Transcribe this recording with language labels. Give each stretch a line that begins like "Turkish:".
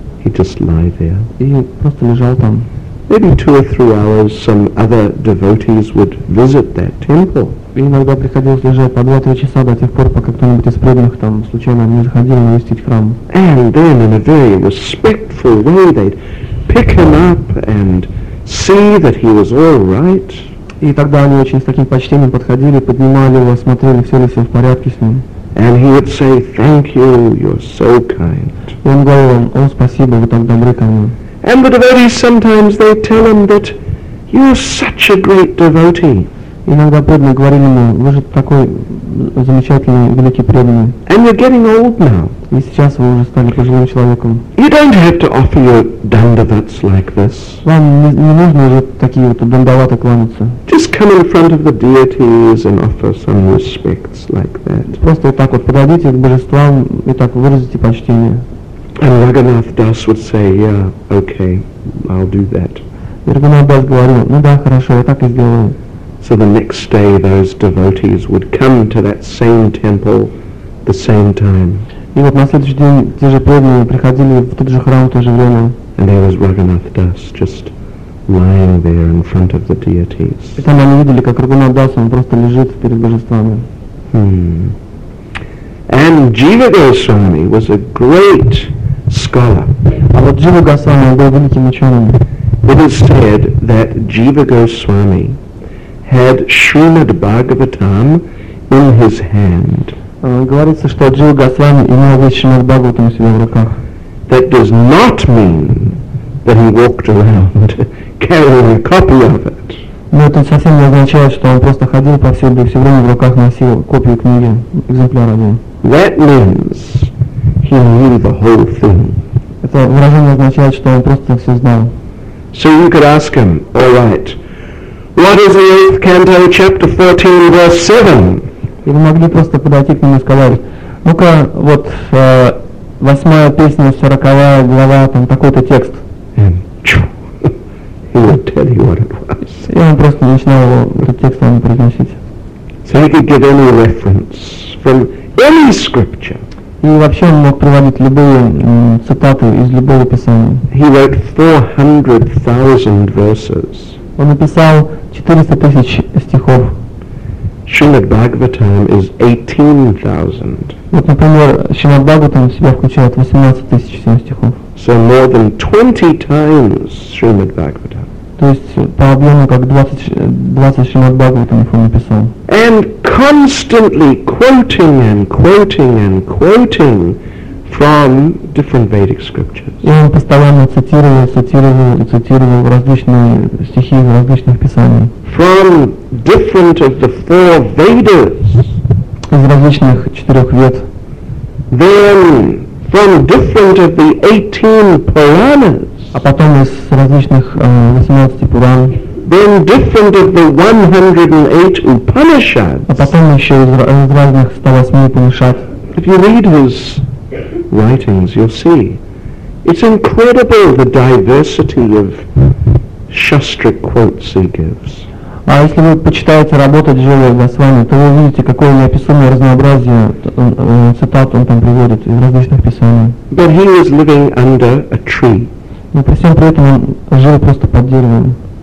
English: He'd just lie there.
Russian: И просто лежал там.
English: Maybe 2 or 3 hours some other devotees would visit that temple.
Russian: И иногда приходилось лежать по 2-3 часа до тех пор, пока кто-нибудь из преданных там случайно не заходил навестить храм.
English: And then in a very respectful way they'd pick him up and see that he was all right.
Russian: И тогда они очень с таким почтением подходили, поднимали его, смотрели, все ли все в порядке с ним.
English: And he would say, "Thank you, you're so kind."
Russian: И он говорил им: "О, спасибо, вы так добры ко мне."
English: And the devotees sometimes they tell him that you're such a great devotee.
Russian: Иногда преданные говорили ему: "Вы же такой замечательный, великий преданный."
English: And you're getting old now.
Russian: И сейчас вы уже стали пожилым человеком.
English: You don't have to offer your dandavats like this.
Russian: Вам не нужно уже такие вот дандаваты кланяться.
English: Just come in front of the deities and offer some respects like that.
Russian: Просто вот так вот подойдите к божествам и так выразите почтение.
English: And Raghunath Das would say, "Yeah, okay, I'll do that."
Russian: И Раганат Дас говорил: "Ну да, хорошо, я так и сделаю."
English: So the next day those devotees would come to that same temple the same time.
Russian: И вот на следующий день те же преданные приходили в тот же храм в то же время.
English: And there was Raghunath Das just lying there in front of the deities.
Russian: И там они видели, как Раганат Дас, он просто лежит перед божествами.
English: And Jiva Goswami was a great scholar.
Russian: А вот Jiva Goswami был великим ученым.
English: It is said that Jiva Goswami had Srimad Bhagavatam in his hand.
Russian: Говорится, что Jiva Goswami имел весь Srimad Bhagavatam у себя в руках.
English: That does not mean that he walked around carrying a copy of it.
Russian: Но это совсем не означает, что он просто ходил повсюду и все время в руках носил копию книги, экземпляр один.
English: That means he knew the whole thing.
Russian: Это выражение означает, что он просто все знал.
English: So you could ask him, "All right, what is the 8th canto, chapter 14, verse 7?
Russian: И вы могли просто подойти к нему и сказать: "Ну-ка, вот 8-я песня, 40-я глава, там такой-то текст."
English: And he would tell you what it was.
Russian: И он просто начинал этот текст вам произносить.
English: So he could give any reference from any scripture.
Russian: И вообще он мог приводить любые цитаты из любого писания.
English: He wrote 400,000 verses.
Russian: Он написал 400,000 стихов.
English: Srimad Bhagavatam is 18,000.
Russian: Вот, например, Srimad Bhagavatam в себя включает 18,000 стихов.
English: So more than 20 times Srimad Bhagavatam.
Russian: То есть по объему как 20 Srimad Bhagavatam он написал.
English: And constantly quoting and quoting and quoting from different Vedic scriptures.
Russian: И он постоянно цитировал различные стихи из различных писаний.
English: From different of the four Vedas.
Russian: Из различных четырех вед.
English: Then from different of the 18 Puranas.
Russian: А потом из различных 18 Пуран.
English: Then different of the 108 Upanishads. If you read his writings, you'll see. It's incredible the diversity of Shastric quotes he gives.
Russian: А если вы почитаете работу Джива Госвами, то вы увидите, какое неописуемое разнообразие цитат он там приводит из различных писаний.
English: But he was living under a tree.
Russian: Но при всем при этом он жил просто под деревом.